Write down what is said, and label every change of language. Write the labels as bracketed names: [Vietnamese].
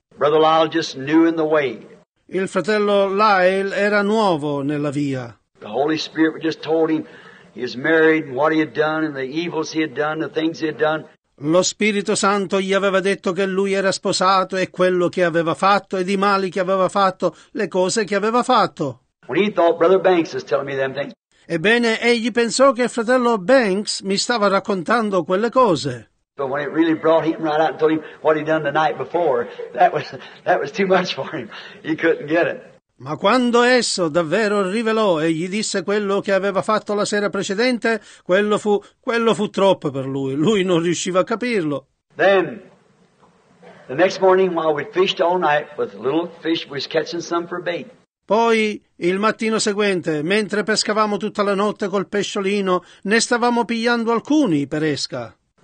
[English] Brother Lyle just knew in the way. [Italian] Il fratello Lyle era nuovo nella via. [English] The Holy Spirit just told him he was married and what he had done and the evils he had done, the things he had done. [Italian] Lo Spirito Santo gli aveva detto che lui era sposato e quello che aveva fatto ed i mali che aveva fatto, le cose che aveva fatto. [English] When he thought Brother Banks was telling me them things. [Italian] Ebbene, egli pensò che fratello Banks mi stava raccontando quelle cose. [English] But when it really brought him right out and told him what he'd done the night before, that was too much for him. He couldn't get it. [Italian] Ma quando esso davvero rivelò e gli disse quello che aveva fatto la sera precedente, quello fu troppo per lui. Lui non riusciva a capirlo. [English] Then, the next morning, while we fished all night with little fish, we was catching some for bait. [Italian] Poi, il mattino seguente, mentre pescavamo tutta la notte col pesciolino, ne stavamo pigliando alcuni per esca.